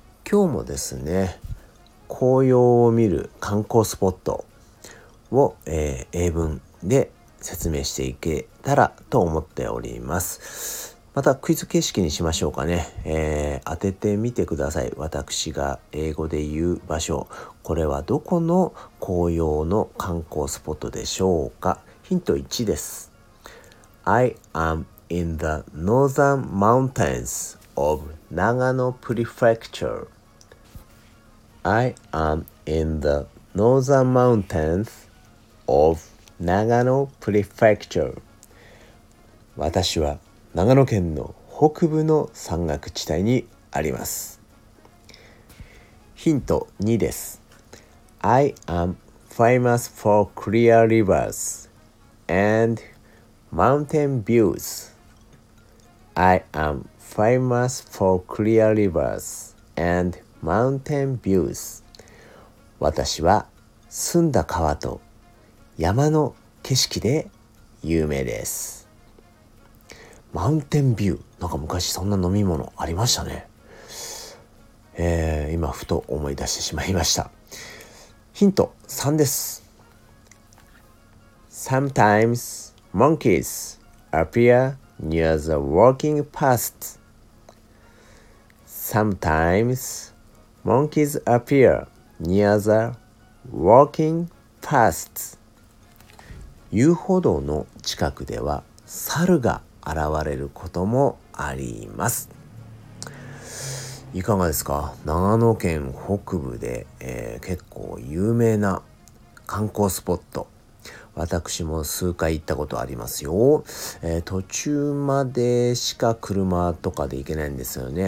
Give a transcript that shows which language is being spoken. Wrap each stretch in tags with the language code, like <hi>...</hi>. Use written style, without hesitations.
<ja>今日もですね、紅葉を見る観光スポットを、英文で説明していけたらと思っております。またクイズ形式にしましょうかね。当ててみてください。私が英語で言う場所、これはどこの紅葉の観光スポットでしょうか。ヒント1です。</ja> <en>I am in the northern mountains of 長野 prefectureI am in the northern mountains of 長野 prefecture.</en> <ja>私は長野県の北部の山岳地帯にあります。ヒント2です。</ja> <en>I am famous for clear rivers and mountain views. I am famous for clear rivers and mountain views.</en> <ja>私は澄んだ川と山の景色で有名です。マウンテンビュー、なんか昔そんな飲み物ありましたね。今ふと思い出してしまいました。ヒント3です。</ja> <en>Sometimes monkeys appear near the walking past. SometimesMonkeys appear near the walking past.</en> <ja>遊歩道の近くでは猿が現れることもあります。いかがですか？長野県北部で、結構有名な観光スポット。私も数回行ったことありますよ。途中までしか車とかで行けないんですよね。</ja>